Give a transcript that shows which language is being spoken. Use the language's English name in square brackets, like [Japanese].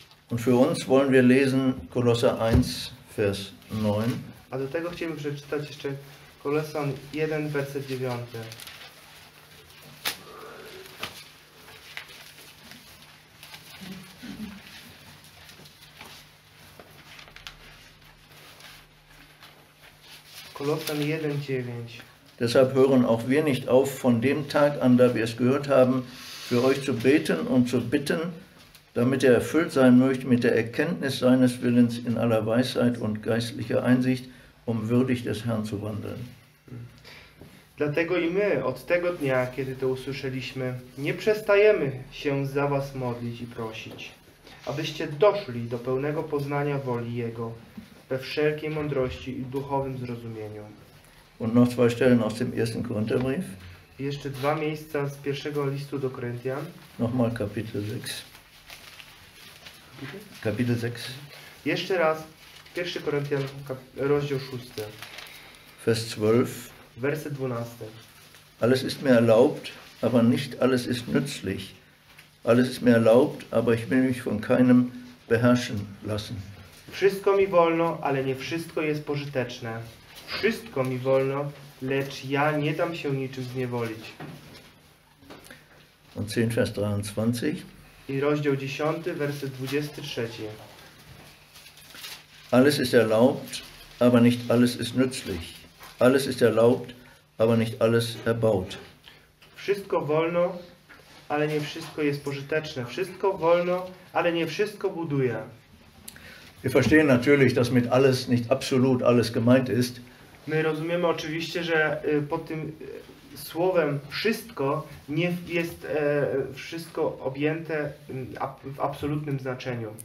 [German] Und für uns wollen wir lesen Kolosser 1, Vers 9. [Polish] A do tego chcielibyśmy przeczytać jeszcze Kolosan 1, werset 9. Kolosan 1, 9. [German] Deshalb hören auch wir nicht auf, von dem Tag an, da wir es gehört haben, für euch zu beten und zu bitten, damit ihr erfüllt sein möchtet mit der Erkenntnis seines Willens in aller Weisheit und geistlicher Einsicht, um würdig des Herrn zu wandeln. [Polish] Dlatego i my od tego dnia, kiedy to usłyszeliśmy, nie przestajemy się za was modlić i prosić, abyście doszli do pełnego poznania woli Jego we wszelkiej mądrości i duchowym zrozumieniu. [German] Und noch zwei Stellen aus dem ersten Korintherbrief. [Polish] Jeszcze dwa miejsca z pierwszego listu do Koryntian. [German] Nochmal Kapitel 6. Kapitel 6. [Polish] Jeszcze raz, 1 Koryntian, rozdział 6. [German] Vers 12. [Polish] Werset 12. [German] Alles ist mir erlaubt, aber nicht alles ist nützlich. Alles ist mir erlaubt, aber ich will mich von keinem beherrschen lassen. [Polish] Wszystko mi wolno, ale nie wszystko jest pożyteczne. Wszystko mi wolno, lecz ja nie dam się niczym zniewolić. [German] Und 10, Vers 23. [Polish] I rozdział 10, werset 23. [German] Alles ist erlaubt, aber nicht alles ist nützlich. Alles ist erlaubt, aber nicht alles erbaut. [Polish] Wszystko wolno, ale nie wszystko jest pożyteczne. Wszystko wolno, ale nie wszystko buduje. [German] Wir verstehen natürlich, dass mit alles nicht absolut alles gemeint ist. [Polish] My rozumiemy oczywiście, że pod tym słowem wszystko nie jest wszystko objęte w absolutnym znaczeniu.